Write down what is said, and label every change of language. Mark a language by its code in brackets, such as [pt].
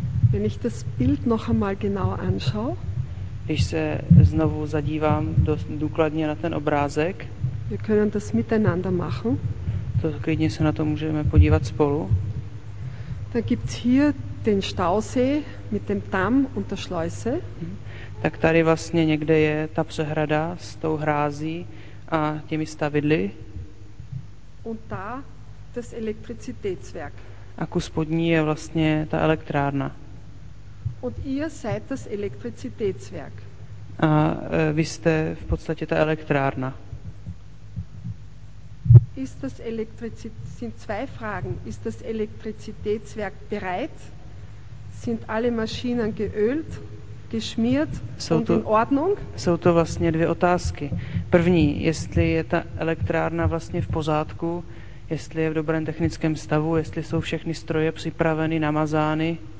[de] Wenn ich das Bild noch einmal genau anschaue, [cs] ich se znovu zadívám důkladně na ten obrázek. [de] Wir können das miteinander machen. [cs] To klidně se na to můžeme podívat spolu. [de] Da gibt's hier den Stausee mit dem Damm und der Schleuse. [cs] Tak tady vlastně někde je ta přehrada s tou hrází a těmi stavidly. [de] Und da das Elektrizitätswerk. [cs] A kus pod ní je vlastně ta elektrárna. [de] Und ihr seid das Elektrizitätswerk. [cs] A vy jste v podstatě ta elektrárna. [de] Ist das sind zwei Fragen. Ist das Elektrizitätswerk bereit? Sind alle Maschinen geölt? geschmiert und in Ordnung? [cs] Jsou to vlastně dvě otázky. První, jestli je ta elektrárna vlastně v pořádku, jestli je v dobrém technickém stavu, jestli jsou všechny stroje připraveny, namazány.